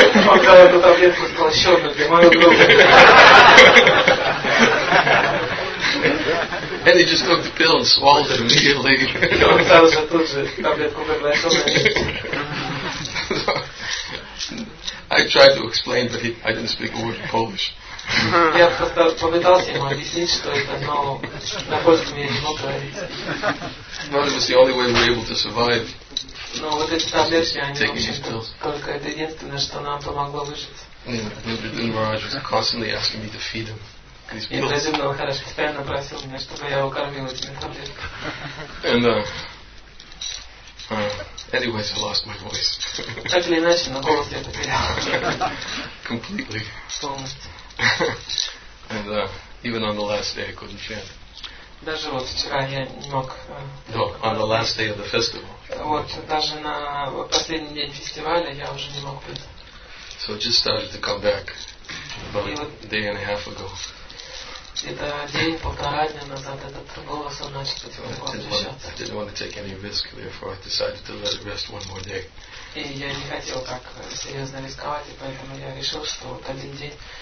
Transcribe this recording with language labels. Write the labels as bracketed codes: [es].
[ru] Он дал эту таблетку, сказал, еще одну для моего друга. [en] And he just took the pill and swallowed it immediately. tried to explain, but I didn't speak a word of Polish. [ru] Я просто попытался ему объяснить, что это, но на польском я не мог говорить. [en] Well, it was the only way we were able to survive. [ru] Но вот эти таблетки, они только это единственное, что нам помогло выжить. [en] Yeah, Dr. Maharaj was constantly asking me to feed him. [ru] И Dr. Maharaj постоянно просил меня, чтобы я его кормил этими таблетками. [en] And anyways, I lost my voice. [ru] Так или иначе, но голос я потерял. [en] Completely. [ru] Полностью. [en] And even on the last day, I couldn't chant. [ru] Даже вот вчера я не мог. [en] No, on the last day of the festival. [ru] Вот даже на последний день фестиваля я уже не мог петь. [en] So it just started to come back about a day and a half ago. [ru] Это день полтора дня назад этот голос начал потихоньку. [en] I didn't want to take any risk, therefore I decided to let it rest one more day. [ru] И я не хотел так серьезно рисковать, и поэтому я решил, что вот один день.